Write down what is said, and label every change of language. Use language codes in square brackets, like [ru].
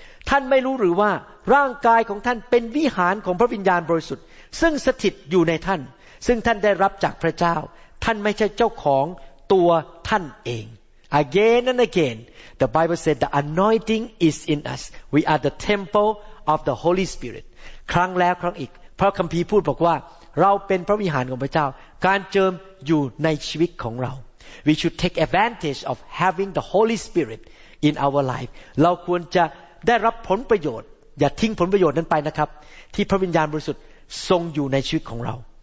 [th] ท่านไม่รู้หรือว่าร่างกายของท่านเป็นวิหารของพระวิญญาณบริสุทธิ์ซึ่งสถิตอยู่ในท่านซึ่งท่านได้รับจากพระเจ้าท่านไม่ใช่เจ้าของตัวท่านเอง [en] Again and again, the Bible said the anointing is in us. We are the temple of the Holy Spirit. [th] ครั้งแล้วครั้งอีกพระคัมภีร์พูดบอกว่าเราเป็นพระวิหารของพระเจ้าการเจิมอยู่ในชีวิตของเรา [en] We should take advantage of having the Holy Spirit in our life [th] เราควรจะได้รับผลประโยชน์อย่าทิ้งผลประโยชน์นั้นไปนะครับที่พระวิญญาณบริสุทธิ์ทรงอยู่ในชีวิตของเรา